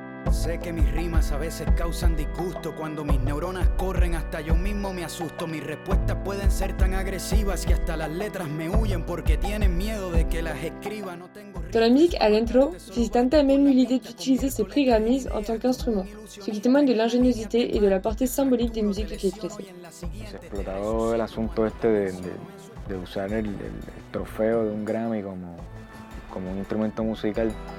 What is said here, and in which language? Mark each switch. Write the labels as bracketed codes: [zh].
[es] Sé que mis rimas a veces causan disgusto cuando mis neuronas corren hasta yo mismo me asusto. Mis respuestas pueden ser tan agresivas que hasta las letras me huyen porque tienen miedo de que las escriba. No tengo. [fr] Dans la musique Adentro, Visitante a même eu l'idée d'utiliser ses prix Grammys en tant qu'instrument, ce qui témoigne de l'ingéniosité et de la portée symbolique des musiques qu'il expressait. [es] Se explotó el asunto este de usar el trofeo de un Grammy como un instrumento musical.